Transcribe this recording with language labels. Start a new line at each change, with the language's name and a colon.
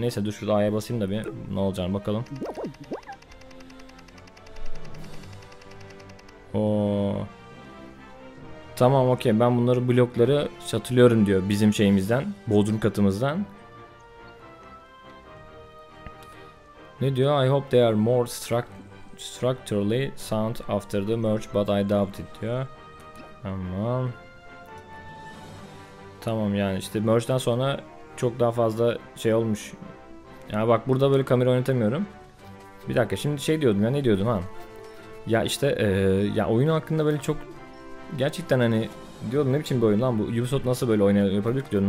Turkish: Neyse, dur şurada A'ya basayım da bir ne olacağını bakalım. Oo. Tamam, okey, ben bunları blokları satılıyorum diyor bizim şeyimizden, bodrum katımızdan. Ne diyor?
English: I hope they are more structurally sound after the merge, but I doubt it
Turkish: diyor. Tamam. Tamam, yani işte merge'den sonra çok daha fazla şey olmuş. Yani bak, burada böyle kamera oynatamıyorum. Bir dakika, şimdi şey diyordum ya, ne diyordum ha? Ya işte ya oyun hakkında böyle çok gerçekten hani diyordum, ne biçim bir oyun lan bu, Ubisoft nasıl böyle yapabilir ki diyordum.